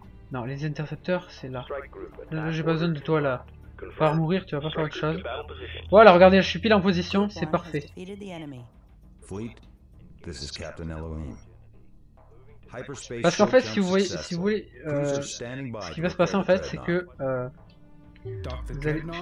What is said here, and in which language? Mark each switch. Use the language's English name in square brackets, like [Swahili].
[French] Non, les intercepteurs, c'est là. Là, j'ai pas besoin de toi là. Pour mourir, tu vas pas faire autre chose. Voilà, regardez, je suis pile en position, c'est parfait. [English] Fleet, this is Captain Elohim. [French] Parce qu'en fait, si vous voulez, ce qui va se passer en fait, c'est que vous allez...